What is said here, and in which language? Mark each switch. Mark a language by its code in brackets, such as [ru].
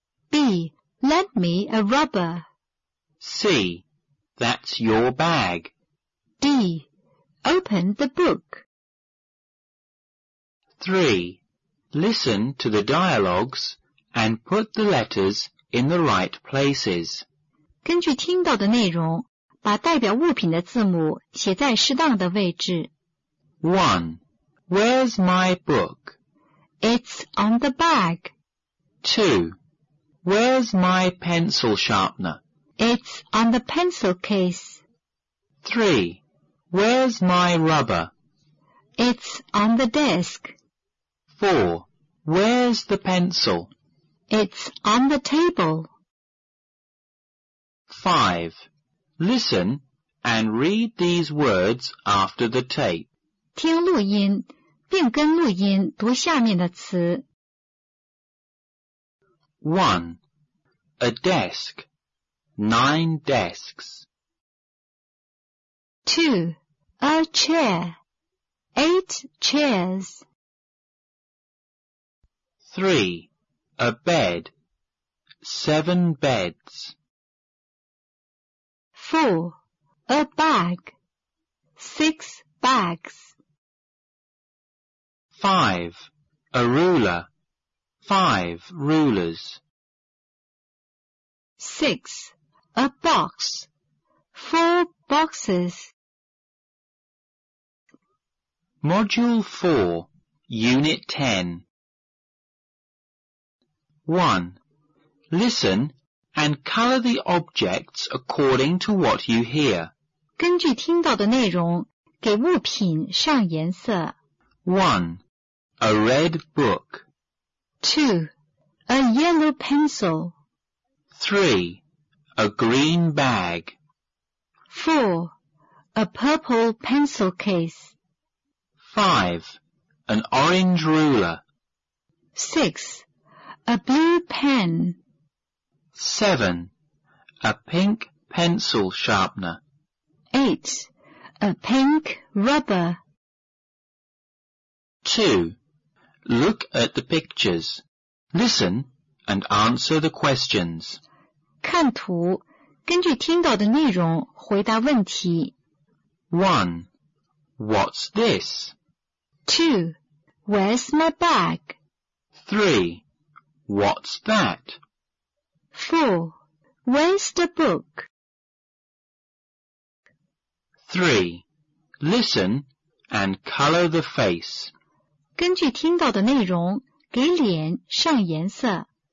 [en] B. Lend me a rubber. C. That's your bag. D. Open the book. 3. Listen to the dialogues and put the letters in the right places. [zh] 根据听到的内容，把代表物品的字母写在适当的位置。 [en] 1. Where's my book? It's on the bag. 2. Where's my pencil sharpener? It's on the pencil case. 3. Where's my rubber? It's on the desk. 4. Where's the pencil? It's on the table. 5. Listen and read these words after the tape. [zh] 听录音，并跟录音读下面的词。 [en] 1. A desk. 9 desks. 2. A chair. 8 chairs. 3. A bed. 7 beds. 4. A bag. 6 bags. 5. A ruler. 5 rulers. 6. A box. 4 boxes. Module 4. Unit 10. 1. Listen and color the objects according to what you hear. [zh] 根据听到的内容，给物品上颜色。 [en] 1. A red book. 2. A yellow pencil. 3. A green bag. 4. A purple pencil case. 5. an orange ruler. 6. A blue pen. 7. A pink pencil sharpener. 8. A pink rubber. 2. Look at the pictures. Listen and answer the questions. [zh] 看图，根据听到的内容回答问题。 [en] 1. What's this? 2. Where's my bag? 3. What's that? 4. Where's the book? 3. Listen and color the face. [zh] 根据听到的内容，给脸上颜色。